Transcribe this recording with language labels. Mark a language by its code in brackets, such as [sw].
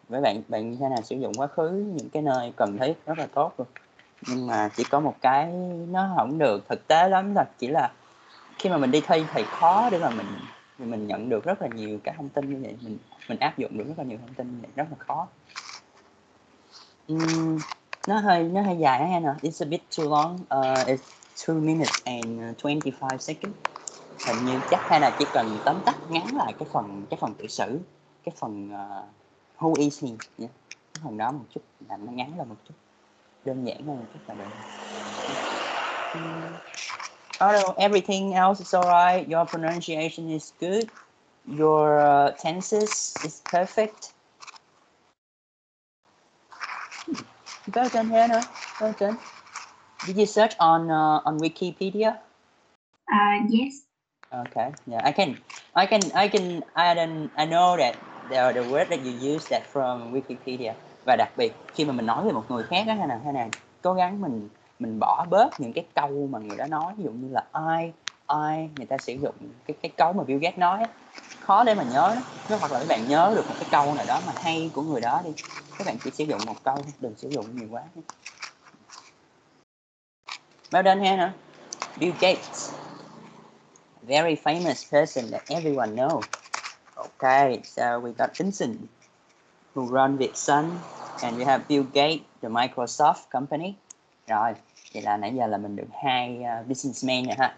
[vi] Với bạn hay là sử dụng quá khứ những cái nơi cần thiết rất là tốt luôn. Nhưng mà chỉ có một cái nó không được thực tế lắm, là chỉ là khi mà mình đi thi thì khó để mà mình nhận được rất là nhiều cái thông tin như vậy, mình áp dụng được rất là nhiều thông tin như vậy, rất là khó. Nó hơi dài hay nè, [en] it's a bit too long, it's 2 minutes and 25 seconds. [vi] Hình như chắc hay là chỉ cần tóm tắt ngắn lại cái phần tiểu sử, cái phần [en] who is he, yeah. [vi] Cái phần đó một chút, làm nó ngắn là một chút, đơn giản hơn một chút là được. [en] Everything else is alright. Your pronunciation is good. Your tenses is perfect. Well done, Hannah. Well done. Did you search on Wikipedia? Yes. Okay. Yeah, I can add an. I know that the word that you use that from Wikipedia. [vi] Và đặc biệt khi mà mình nói với một người khác á, Hannah, cố gắng mình bỏ bớt những cái câu mà người đó nói, ví dụ như là ai, người ta sử dụng cái câu mà Bill Gates nói, khó để mà nhớ đó. Hoặc là các bạn nhớ được một cái câu nào đó mà hay của người đó đi, các bạn chỉ sử dụng một câu, đừng sử dụng nhiều quá. [en] Well done, Hannah. Bill Gates, very famous person that everyone knows. Okay, so we got Vincent, who run VietSun, and we have Bill Gates, the Microsoft company. [vi] Rồi, vậy là nãy giờ là mình được hai businessmen rồi ha.